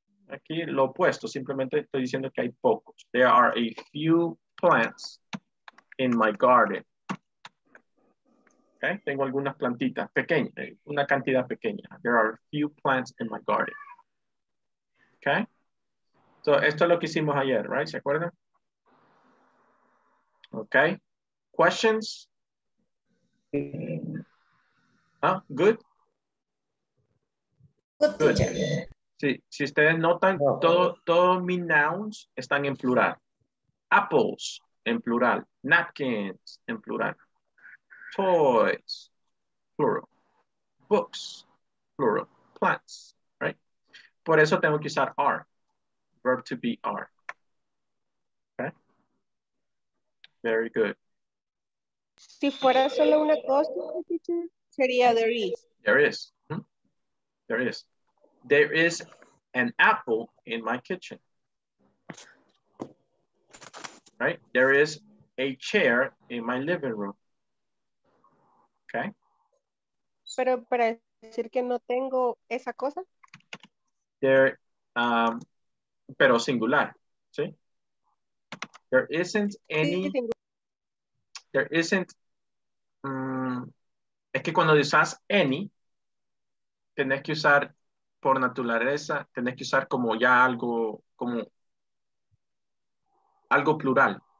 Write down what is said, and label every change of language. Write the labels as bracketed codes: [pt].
[es] Aquí lo opuesto, simplemente estoy diciendo que hay pocos. [en] There are a few plants in my garden. [es] Okay, tengo algunas plantitas pequeñas, una cantidad pequeña. [en] There are a few plants in my garden. [es] Okay, so esto es lo que hicimos ayer, right? ¿Se acuerdan? [en] Okay, questions? Huh? Good? [es] Sí, si ustedes notan, todo mi nouns están en plural. Apples, en plural. Napkins, en plural. [en] Toys, plural. Books, plural. Plants, right? [es] Por eso tengo que usar [en] are. Verb to be are. Okay? Very good. [es] Si fuera solo una cosa, sería there is. [en] There is. Hmm? There is. There is an apple in my kitchen, right? There is a chair in my living room, okay? [es] Pero para decir que no tengo esa cosa? There, pero singular, ¿sí? There isn't any, sí, tengo. There isn't, es que cuando usas any, tenés que usar por naturaleza, tenés que usar como ya algo, como algo plural.